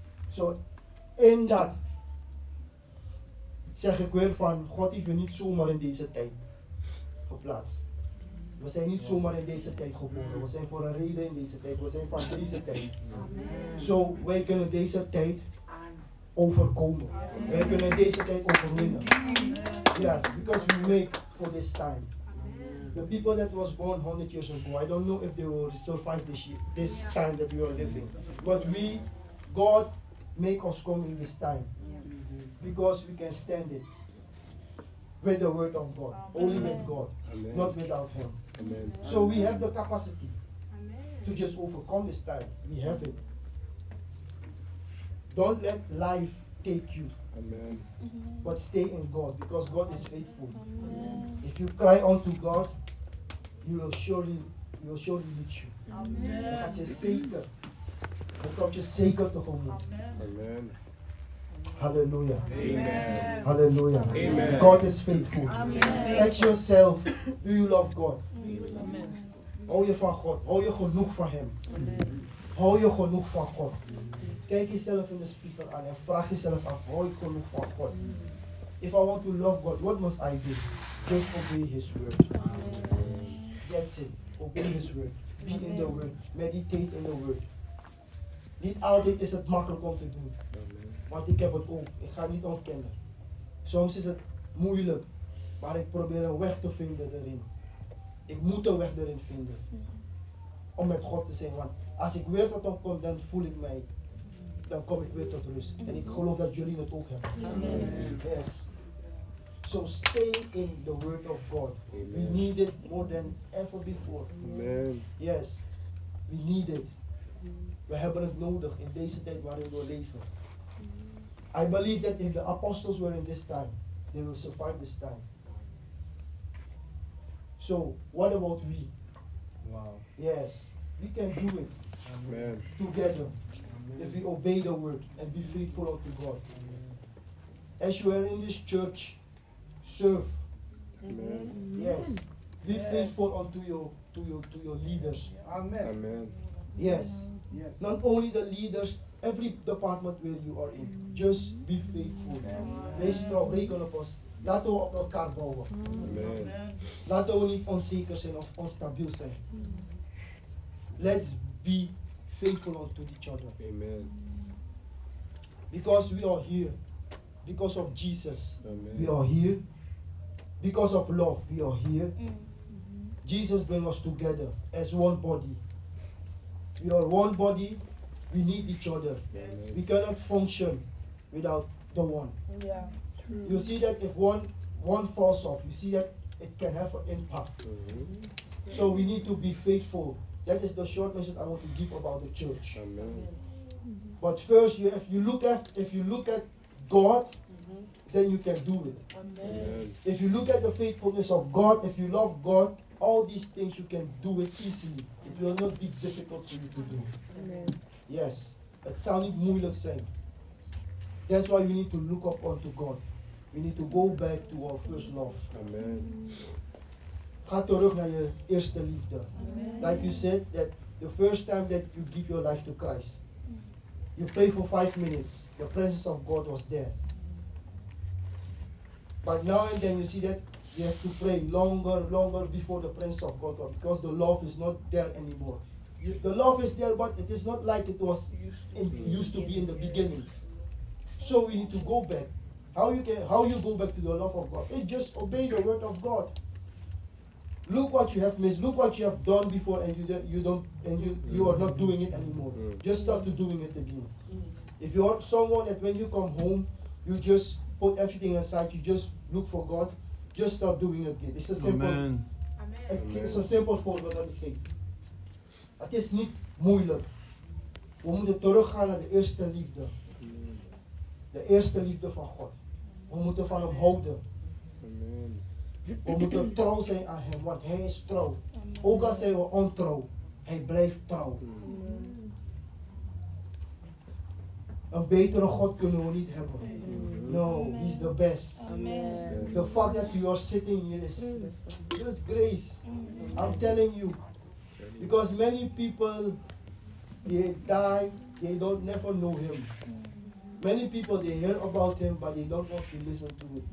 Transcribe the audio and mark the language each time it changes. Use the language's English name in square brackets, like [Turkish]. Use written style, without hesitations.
[Dutch] Zo, in dat zeg ik weer van God heeft je niet zomaar in deze tijd geplaatst. We zijn niet zomaar in deze tijd geboren. We zijn voor een reden in deze tijd. We zijn van deze tijd. Zo, wij kunnen deze tijd overkomen. Amen. Wij kunnen deze tijd overwinnen. Amen. [English] Yes, because we make for this time. Amen. The people that was born 100 years ago, I don't know if they will survive this yeah. time that we are living. But we, God, make us come in this time. Yeah. Because we can stand it. With the word of God. Amen. Only with God. Amen. Not without him. Amen. So Amen. We have the capacity Amen. To just overcome this time. We have it. Don't let life take you. Amen. But stay in God. Because God is faithful. Amen. If you cry unto God, He will surely meet you. Amen. [Dutch] Hij gaat je zeker. Hij gaat je zeker tegemoet. Amen. Hallelujah. Amen. Hallelujah. Amen. [English] God is faithful. Amen. Ask yourself, do you love God? Amen. [Dutch] Hou je van God? Hou je genoeg van hem? Amen. Hou je genoeg van God? Amen. Kijk jezelf in de spiegel aan en vraag jezelf af, hou ik genoeg van God? Amen. [English] If I want to love God, what must I do? Just obey his word. Amen. That's it. Obey his word. Be Amen. In the word. Meditate in the word. [Dutch] Niet altijd is het makkelijk om te doen. Amen. Want ik heb het ook. Ik ga niet ontkennen. Soms is het moeilijk. Maar ik probeer een weg te vinden erin. Ik moet een weg erin vinden. Om met God te zijn. Want als ik weer tot opkom, dan voel ik mij. Dan kom ik weer tot rust. En ik geloof dat jullie het ook hebben. Amen. [English] Yes. So stay in the word of God. Amen. We need it more than ever before. Amen. Yes. We need it. [Dutch] We hebben het nodig in deze tijd waarin we leven. [English] I believe that if the apostles were in this time, they will survive this time. So, what about we? Wow. Yes. We can do it. Amen. Together. Amen. If we obey the word and be faithful unto God. Amen. As you are in this church, serve. Amen. Yes. Be faithful unto your leaders. Amen. Amen. Yes. Yes. Not only the leaders, every department where you are in. Just be faithful. Amen. Be strong, [Dutch] reken op ons. Laten we op elkaar bouwen. Amen. Laten we niet onzeker zijn of onstabiel zijn. [English] Let's be faithful unto each other. Amen. Because we are here. Because of Jesus. Amen. We are here. Because of love, we are here. Jesus brings us together as one body. We are one body. We need each other. Amen. We cannot function without the one. Yeah. True. You see that if one falls off, you see that it can have an impact. Mm-hmm. So we need to be faithful. That is the short message I want to give about the church. Amen. Amen. But first, if you look at God, mm-hmm. then you can do it. Amen. Amen. If you look at the faithfulness of God, if you love God, all these things you can do it easily. It will not be difficult for you to do. Amen. Yes. It sounded [Dutch] moeilijk zijn. [English] That's why we need to look up unto God. We need to go back to our first love. Amen. [Dutch] Ga terug naar je eerste liefde. Amen. [English] Like you said, that the first time that you give your life to Christ, you pray for 5 minutes. The presence of God was there. But now and then you see that you have to pray longer before the presence of God comes, because the love is not there anymore. The love is there, but it is not like it was used to be in the beginning. So we need to go back. How you go back to the love of God? It just obey the word of God. Look what you have missed. Look what you have done before, and you are not doing it anymore. Just start to doing it again. If you are someone that when you come home, you just put everything aside, you just look for God. Just start doing it again. It's a simple. Amen. It's a simple formula that you take. It is [Dutch] niet moeilijk. We moeten teruggaan naar de eerste liefde. De eerste liefde van God. We moeten van hem houden. Amen. We moeten trouw zijn aan hem, want hij is trouw. Amen. Ook al zijn we ontrouw, hij blijft trouw. Amen. Een betere God kunnen we niet hebben. Amen. [English] No, he's the best. Amen. The fact that you are sitting here is just grace. Amen. I'm telling you. Because many people, they die, they don't never know him. Many people, they hear about him, but they don't want to listen to him.